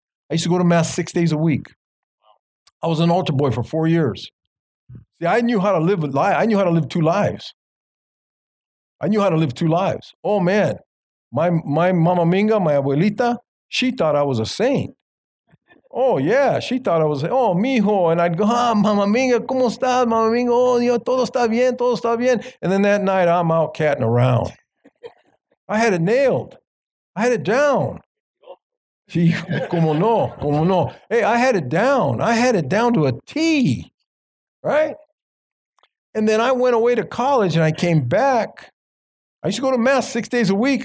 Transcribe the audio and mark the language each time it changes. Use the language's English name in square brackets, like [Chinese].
[English] I used to go to Mass 6 days a week. I was an altar boy for 4 years. See, I knew how to live a lie. I knew how to live two lives. I knew how to live two lives. Oh, man. My mama Minga, my abuelita, she thought I was a saint. Oh, yeah. She thought I was, oh, mijo. And I'd go, mama Minga, [Spanish] ¿cómo estás, mama Minga? Oh, yo, todo está bien, todo está bien. [English] And then that night, I'm out catting around. I had it nailed. I had it down. [Spanish] Sí, como no, como no. [English] Hey, I had it down. I had it down to a T, right? And then I went away to college, and I came back. I used to go to Mass 6 days a week.